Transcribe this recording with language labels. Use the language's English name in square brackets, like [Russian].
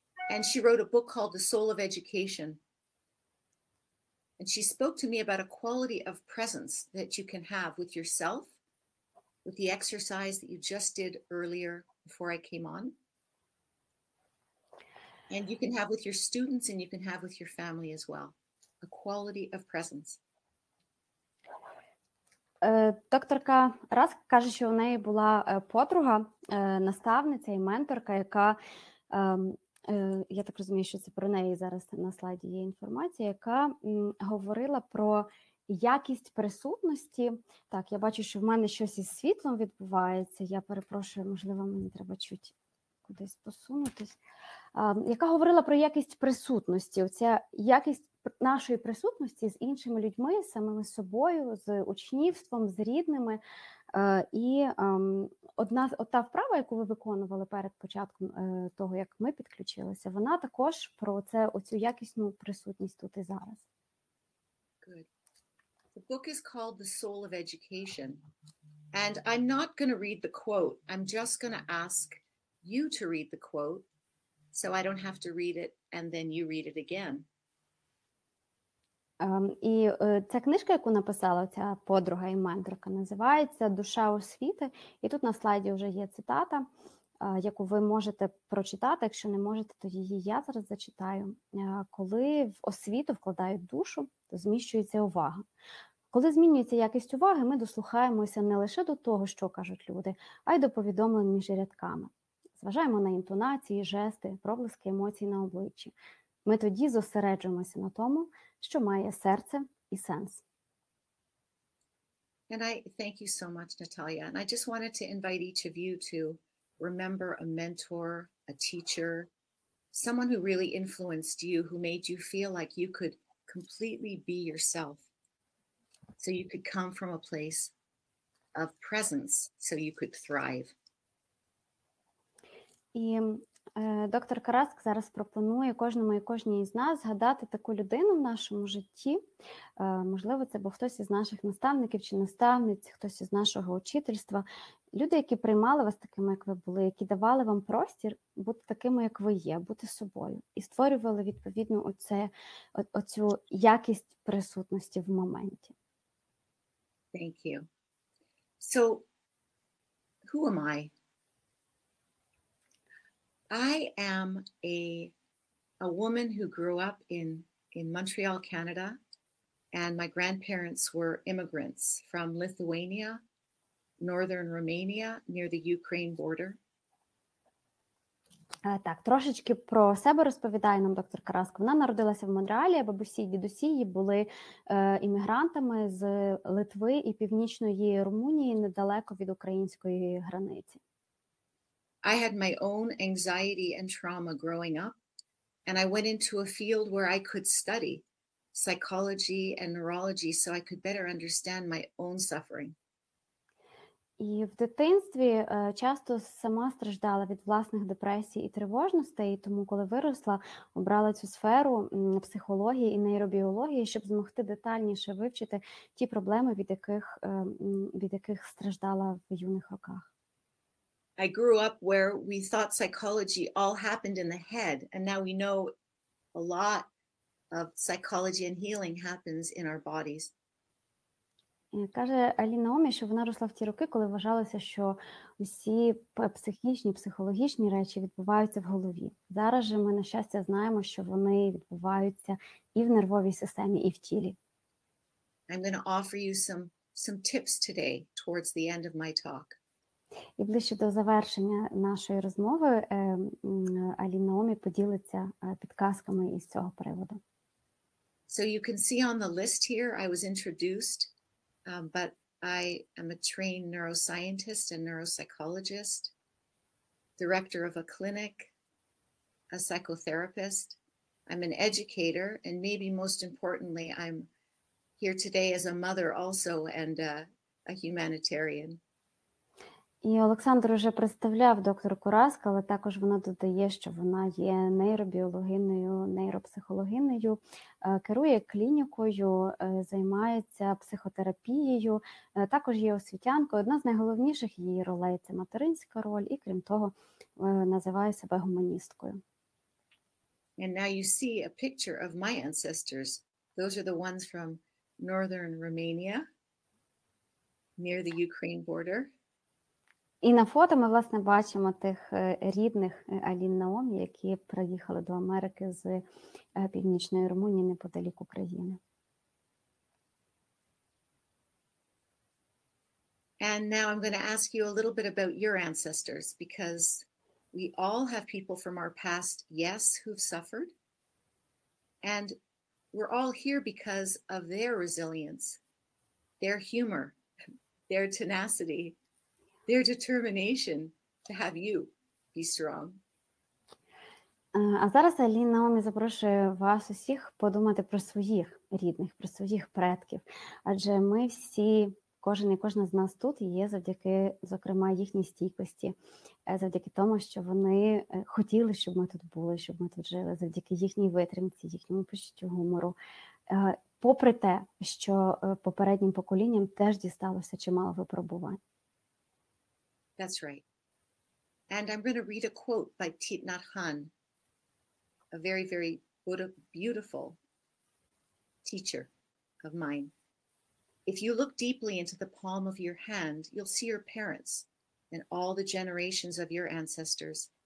[English] And she wrote a book called The Soul of Education. And she spoke to me about a quality of presence that you can have with yourself, with the exercise that you just did earlier before I came on. And you can have with your students and you can have with your family as well. A quality of presence. [Ukrainian] Докторка Раск каже, що у неї була подруга, наставниця і менторка, яка, я так розумію, що це про неї зараз на слайді є інформація, яка говорила про якість присутності. Так, я бачу, що в мене щось із світлом відбувається. Я перепрошую, можливо, мені треба чуть кудись посунутись. Яка говорила про якість присутності, оця якість нашої присутності з іншими людьми, з самими собою, з учнівством, з рідними. І одна та вправа, яку ви виконували перед початком того, як ми підключилися, вона також про це, оцю якісну присутність тут і зараз. [English] Good. The book is called The Soul of Education. And I'm not going to read the quote. I'm just going to ask you to read the quote so I don't have to read it and then you read it again. [Ukrainian] І ця книжка, яку написала ця подруга і менторка, називається «Душа освіти». І тут на слайді вже є цитата, яку ви можете прочитати. Якщо не можете, то її я зараз зачитаю. Коли в освіту вкладають душу, то зміщується увага. Коли змінюється якість уваги, ми дослухаємося не лише до того, що кажуть люди, а й до повідомлень між рядками. Зважаємо на інтонації, жести, проблиски емоцій на обличчі. Ми тоді зосереджуємося на тому, що має серце і сенс. [English] And I thank you so much, Natalia. And I just wanted to invite each of you to remember a mentor, a teacher, someone who really influenced you, who made you feel like you could completely be yourself. So you could come from a place of presence, so you could thrive. [Ukrainian] Доктор Караск зараз пропонує кожному і кожній із нас згадати таку людину в нашому житті. Можливо, це був хтось із наших наставників чи наставниць, хтось із нашого учительства. Люди, які приймали вас такими, як ви були, які давали вам простір бути такими, як ви є, бути собою. І створювали, відповідно, оцю якість присутності в моменті. [English] Thank you. So, who am I? I am a woman who grew up in Montreal, Canada, and my grandparents were immigrants from Lithuania, northern Romania, near the Ukraine border. [Ukrainian] Так, трошечки про себе розповідає нам доктор Караск. Вона народилася в Монреалі, а бабусі і дідусі її були іммігрантами з Литви і Північної Румунії, недалеко від української границі. [English] I had my own anxiety and trauma growing up, and I went into a field where I could study psychology and neurology so I could better understand my own suffering. [Ukrainian] І в дитинстві часто сама страждала від власних депресій і тривожностей, тому коли виросла, обрала цю сферу психології і нейробіології, щоб змогти детальніше вивчити ті проблеми, від яких страждала в юних роках. [English] I grew up where we thought psychology all happened in the head, and now we know a lot of psychology and healing happens in our bodies. [Ukrainian] Каже Алінаомі, що вона росла в ті роки, коли вважалося, що усі психічні, психологічні речі відбуваються в голові. Зараз же ми, на щастя, знаємо, що вони відбуваються і в нервовій системі, і в тілі. [English] I'm going to offer you some tips today towards the end of my talk. [Ukrainian] І ближче до завершення нашої розмови Алінаомі поділиться підказками із цього приводу. [English] So you can see on the list here, I was introduced. But I am a trained neuroscientist and neuropsychologist, director of a clinic, a psychotherapist. I'm an educator, and maybe most importantly, I'm here today as a mother also and a humanitarian. [Ukrainian] І Олександр уже представляв докторку Раск, але також вона додає, що вона є нейробіологиною, нейропсихологиною, керує клінікою, займається психотерапією, також є освітянкою. Одна з найголовніших її ролей – це материнська роль, і крім того, називає себе гуманісткою. [English] And now you see a picture of my ancestors. Those are the ones from northern Romania, near the Ukraine border. [Ukrainian] І на фото ми, власне, бачимо тих рідних Алін Наомі, які приїхали до Америки з Північної Румунії неподалік України. [English] And now I'm going to ask you a little bit about your ancestors, because we all have people from our past, yes, who've suffered. And we're all here because of their resilience, their humor, their tenacity, their determination to have you be strong. [Ukrainian] А зараз Аліна Наомі запрошує вас усіх подумати про своїх рідних, про своїх предків. Адже ми всі, кожен і кожна з нас тут є завдяки, зокрема, їхній стійкості, завдяки тому, що вони хотіли, щоб ми тут були, щоб ми тут жили, завдяки їхній витримці, їхньому почуттю гумору. Попри те, що попереднім поколінням теж дісталося чимало випробувань. [English] That's right. And I'm going to read a quote by Thich Nhat Hanh, a very, very beautiful teacher of mine. If you look deeply into the palm of your hand, you'll see your parents and all the generations of your ancestors.